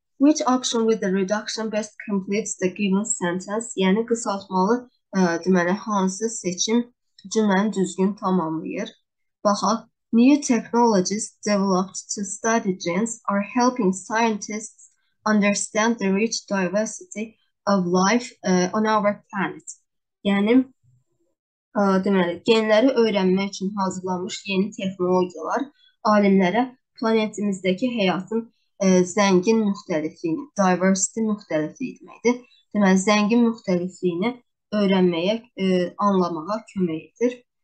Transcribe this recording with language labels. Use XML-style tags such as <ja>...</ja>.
<en>Which option with the reduction best completes the given sentence?</en> <az>Yəni qısaltmalı deməli hansı seçim cümləni düzgün tamamlayır? Baxaq.</az> <en>New technologies developed to study genes are helping scientists understand the rich diversity of life on our planet.</en> <az>Yəni deməli genləri öyrənmək üçün hazırlanmış yeni texnologiyalar alimlərə planetimizdəki həyatın zəngin müxtəlifliyini, diversity müxtəlifliyi deməkdir. Deməli zəngin müxtəlifliyini öyrənməyə, anlamağa kömək edir.</az>